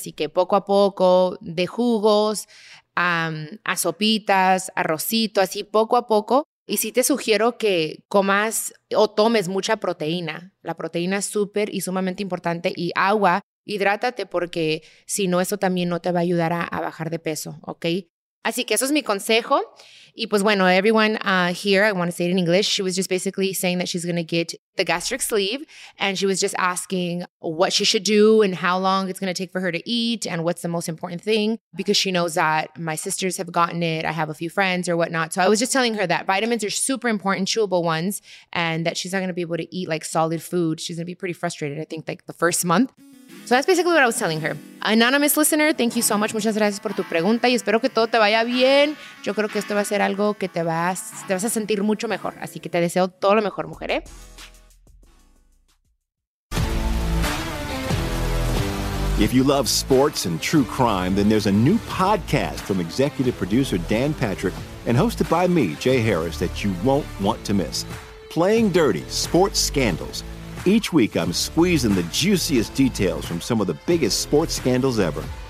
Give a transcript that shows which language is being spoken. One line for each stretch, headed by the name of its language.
Spanish: Así que poco a poco, de jugos a sopitas, arrocito, así poco a poco. Y sí te sugiero que comas o tomes mucha proteína. La proteína es súper y sumamente importante. Y agua, hidrátate porque si no, eso también no te va a ayudar a bajar de peso, ¿ok? Así que eso es mi consejo. Y pues bueno,
English: everyone here, I want to say it in English, she was just basically saying that she's going to get the gastric sleeve and she was just asking what she should do and how long it's going to take for her to eat and what's the most important thing because she knows that my sisters have gotten it, I have a few friends or whatnot. So I was just telling her that vitamins are super important, chewable ones, and that she's not going to be able to eat like solid food. She's going to be pretty frustrated, I think, like the first month. So that's basically what I was telling her. Anonymous listener, thank you so much.
Spanish: Muchas gracias por tu pregunta y espero que todo te vaya bien. Yo creo que esto va a ser algo que te vas a sentir mucho mejor. Así que te deseo todo lo mejor, mujer,
English: If you love sports and true crime, then there's a new podcast from executive producer Dan Patrick and hosted by me, Jay Harris, that you won't want to miss. Playing Dirty, Sports Scandals. Each week, I'm squeezing the juiciest details from some of the biggest sports scandals ever.